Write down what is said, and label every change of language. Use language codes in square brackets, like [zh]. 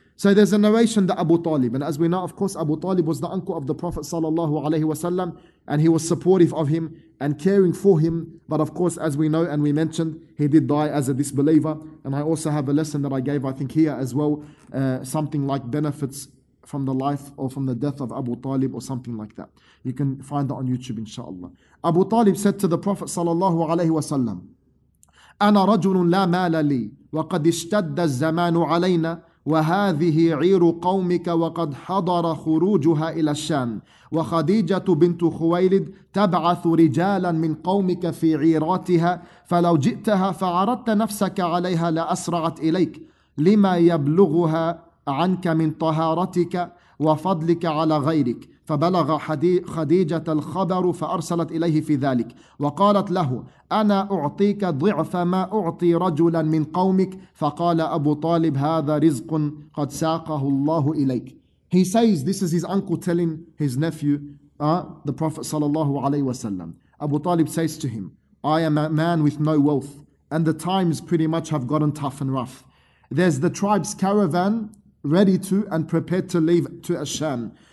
[en] So there's a narration that Abu Talib, and as we know, of course, Abu Talib was the uncle of the Prophet sallallahu alayhi wasallam, and he was supportive of him and caring for him. But of course, as we know and we mentioned, he did die as a disbeliever. And I also have a lesson that I gave, I think, here as well, something like benefits from the life or from the death of Abu Talib or something like that. You can find that on YouTube, inshallah. Abu Talib said to the Prophet sallallahu alayhi wasallam, [ar] أنا رجل لا مال لي وقد اشتد الزمان علينا وهذه عير قومك وقد حضر خروجها إلى الشام وخديجة بنت خويلد تبعث رجالا من قومك في عيراتها فلو جئتها فعرضت نفسك عليها لأسرعت إليك لما يبلغها عنك من طهارتك وفضلك على غيرك فبلغ خديجة الخبر فأرسلت إليه في ذلك وقالت له أنا أعطيك ضعف ما أعطي رجلا من قومك فقال أبو طالب هذا رزق قد ساقه الله إليك. [en] He says, this is his uncle telling his nephew, the Prophet sallallahu alayhi wasallam. Abu Talib says to him, I am a man with no wealth and the times pretty much have gotten tough and rough. There's the tribe's caravan ready to and prepared to leave to Asham.